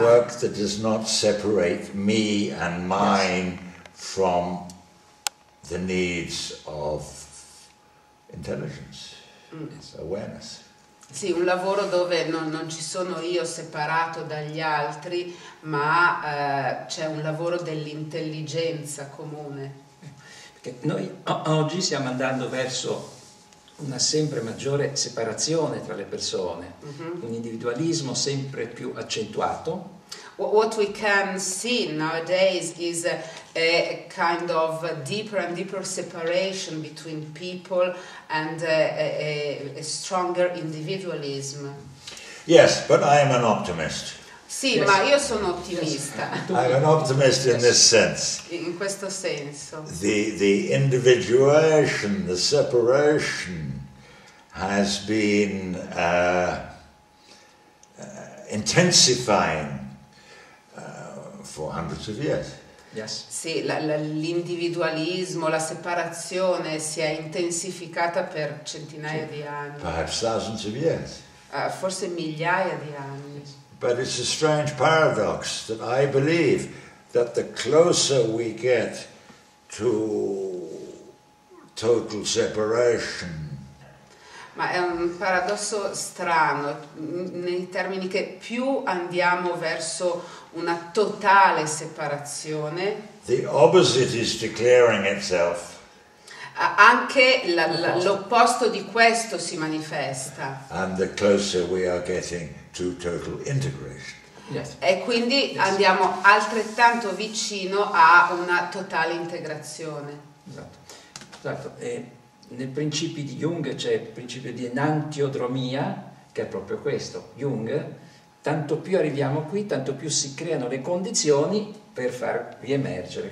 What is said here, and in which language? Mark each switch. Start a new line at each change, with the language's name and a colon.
English: Work that does not separate me and mine, yes, from the needs of intelligence, yes, awareness.
Italian: Sì, un lavoro dove non ci sono io separato dagli altri, ma c'è un lavoro dell'intelligenza comune. Perché noi oggi stiamo andando verso una sempre maggiore separazione tra le persone, mm-hmm, un individualismo sempre più accentuato.
English: What we can see nowadays is a kind of a deeper and deeper separation between people and a stronger individualism. Yes, but I am an optimist.
Italian: Sì,
English: yes,
Italian: ma io sono ottimista.
English: Yes. I'm an optimist in this sense.
Italian: In questo senso.
English: The individuation, the separation has been intensifying for hundreds of years. Yes.
Italian: Sì, l'individualismo, la separazione si è intensificata per centinaia di anni.
English: Perhaps thousands of years.
Italian: Forse migliaia di anni.
English: But it's a strange paradox that I believe that the closer we get to total separation.
Italian: Ma è un paradosso strano, nei termini che più andiamo verso una totale separazione.
English: The opposite is declaring itself.
Italian: Anche l'opposto di questo si manifesta.
English: And the closer we are getting to total integration. Yes.
Italian: E quindi,
English: yes,
Italian: andiamo altrettanto vicino a una totale integrazione. Esatto. E nel principio di Jung c'è il principio di enantiodromia, che è proprio questo. Jung, tanto più arriviamo qui, tanto più si creano le condizioni per far riemergere.